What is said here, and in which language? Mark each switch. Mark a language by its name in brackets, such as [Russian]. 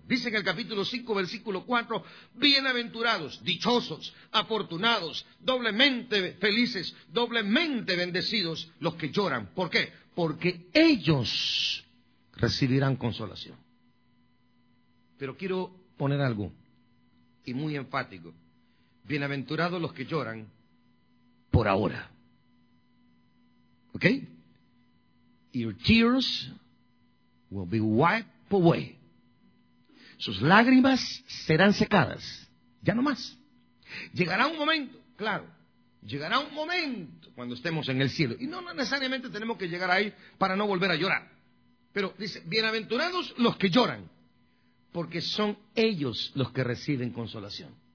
[Spanish] Dice en el capítulo 5, versículo 4, bienaventurados, dichosos, afortunados, doblemente felices, doblemente bendecidos los que lloran. ¿Por qué? Porque ellos recibirán consolación. Pero quiero poner algo, y muy enfático. Bienaventurados los que lloran por ahora. ¿Ok? [English] Your tears will be wiped away. [Spanish] Sus lágrimas serán secadas. Ya no más. Llegará un momento, claro. Llegará un momento cuando estemos en el cielo. Y no necesariamente tenemos que llegar ahí para no volver a llorar. Pero dice, bienaventurados los que lloran, porque son ellos los que reciben consolación.